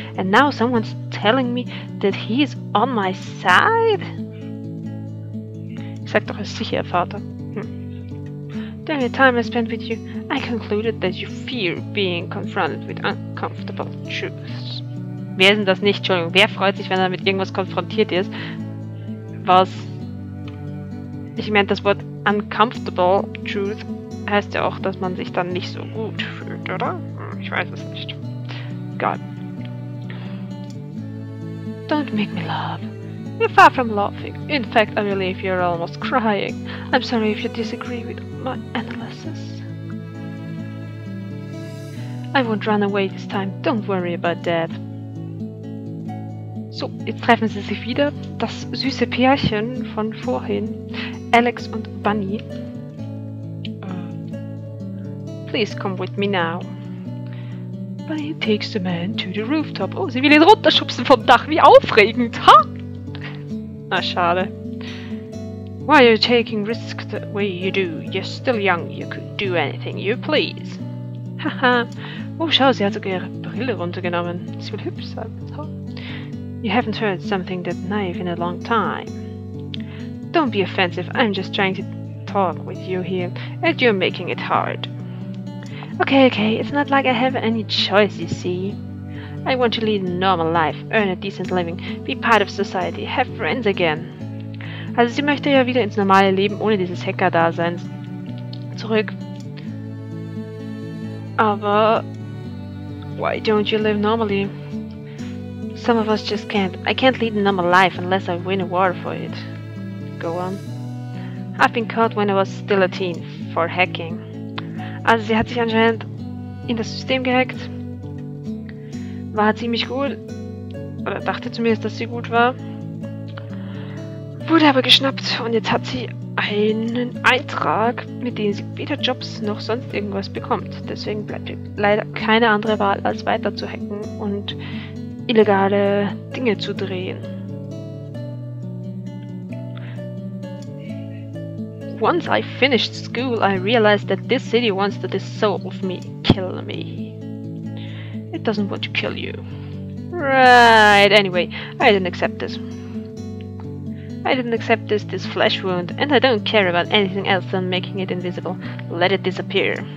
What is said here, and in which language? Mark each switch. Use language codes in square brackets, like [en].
[en] And now someone's telling me that he's on my side? [de] Sag doch, ist sicher, Vater. [en] During the time I spent with you, I concluded that you fear being confronted with uncomfortable truths. [de] Wer ist denn das nicht? Entschuldigung, wer freut sich, wenn er mit irgendwas konfrontiert ist? Was? Ich meine, das Wort uncomfortable truth heißt ja auch, dass man sich dann nicht so gut fühlt, oder? Ich weiß es nicht. Egal. [en] Don't make me laugh. You're far from laughing. In fact, I believe you're almost crying. I'm sorry if you disagree with my analysis. I won't run away this time. Don't worry about that. [de] So, jetzt treffen sie sich wieder. Das süße Pärchen von vorhin. Alex und Bunny. [en] Please come with me now. Bunny takes the man to the rooftop. [de] Oh, sie will ihn runterschubsen vom Dach. Wie aufregend, ha! Na schade. [en] Why are you taking risks the way you do? You're still young. You could do anything you please. Haha. [de] Oh, schau, sie hat sogar ihre Brille runtergenommen. Sie will hübsch sein. [en] You haven't heard something that naive in a long time. Don't be offensive. I'm just trying to talk with you here. And you're making it hard. Okay. It's not like I have any choice, you see. I want to lead a normal life, earn a decent living, be part of society, have friends again. [de] Also sie möchte ja wieder ins normale Leben ohne dieses Hacker-Dasein zurück. [en] Aber why don't you live normally? Some of us just can't. I can't lead a normal life unless I win a war for it. Go on. I've been caught when I was still a teen for hacking. [de] Also sie hat sich anscheinend in das System gehackt. War ziemlich gut, oder dachte zumindest, dass sie gut war. Wurde aber geschnappt und jetzt hat sie einen Eintrag, mit dem sie weder Jobs noch sonst irgendwas bekommt. Deswegen bleibt ihr leider keine andere Wahl, als weiter zu hacken und illegale Dinge zu drehen. [en] Once I finished school, I realized that this city wants to dissolve me, kill me. It doesn't want to kill you. Right, anyway, I didn't accept this. I didn't accept this flesh wound, and I don't care about anything else than making it invisible. Let it disappear.